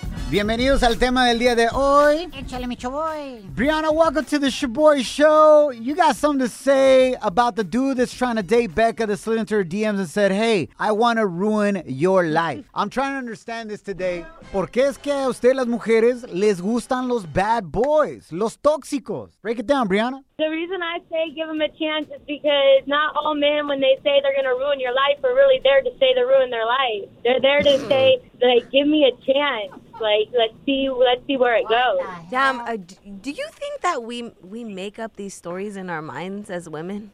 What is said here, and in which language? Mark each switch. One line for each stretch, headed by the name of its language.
Spanish: Bienvenidos al tema del día de hoy. Échale, mi Shaboy.
English: Brianna, welcome to the Shaboy Show. You got something to say about the dude that's trying to date Becca that slid into her DMs and said, hey, I want to ruin your life. I'm trying to understand this today.
Spanish: ¿Por qué es que a usted las mujeres les gustan los bad boys, los tóxicos?
English: Break it down, Brianna. The reason I say give them a chance is because not all men, when they say they're going to ruin your life, are really there to say they ruin their life. They're there to say, like, give me a chance. Like, let's see where it goes. Damn, do you think that we make up these stories in our minds as women?